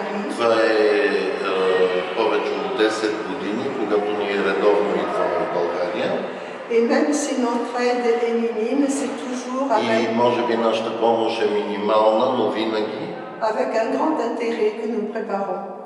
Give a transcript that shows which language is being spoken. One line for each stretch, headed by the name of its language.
Bulgarian: Това е повече от 10 години, когато ние редовно идваме в България.
French: Et même si notre aide est minime, c'est toujours avec...
Bulgarian: И може би нашата помощ е минимална, но винаги.
French: Avec un grand intérêt que nous préparons.